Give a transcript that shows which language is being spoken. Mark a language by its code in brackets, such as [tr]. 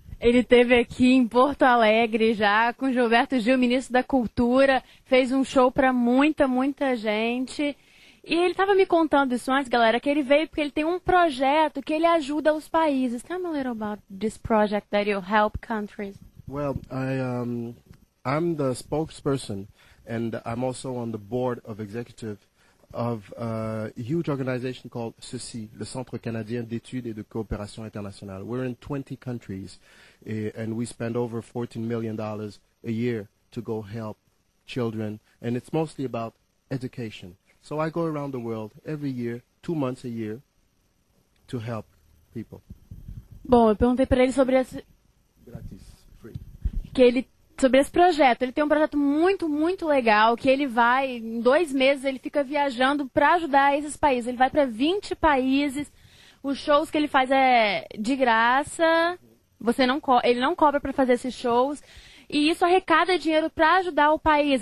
[pt] Ele esteve aqui em Porto Alegre já com Gilberto Gil, ministro da Cultura. Fez um show para muita, muita gente. E ele estava me contando isso antes, galera, que ele veio porque ele tem um projeto que ele ajuda os países. [en] Tell me a little about this project that you help countries. Well, I'm the spokesperson and I'm also on the board of executive of a huge organization called CECI, le Centre Canadien d'Études et de Coopération Internationale. We're in 20 countries and we spend over $14 million a year to go help children. And it's mostly about education. So I go around the world every year, 2 months a year, to help people. [pt] Bom, eu perguntei para ele sobre esse... Gratis, [en] free. [pt] Que ele... Sobre esse projeto, ele tem um projeto muito, muito legal, que ele vai, em 2 meses, ele fica viajando para ajudar esses países. Ele vai para 20 países, os shows que ele faz é de graça, ele não cobra para fazer esses shows, e isso arrecada dinheiro para ajudar o país.